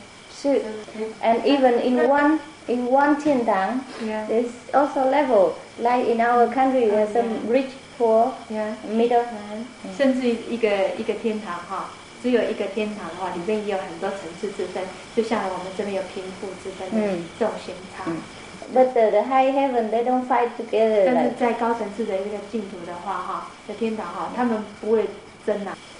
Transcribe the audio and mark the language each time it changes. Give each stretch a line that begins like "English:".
English: So, and even in one 天堂, there's also level. Like in our country, there's some rich, poor, middle.
Chinese: 甚至一个天堂哈。只有一个天堂的话，里面也有很多层次之分，就像我们这边有贫富之分的这种形差。
English: But the high heaven they don't fight together.
Chinese: 但是在高层次的这个净土的话，哈，的天堂哈，他们不会争呐。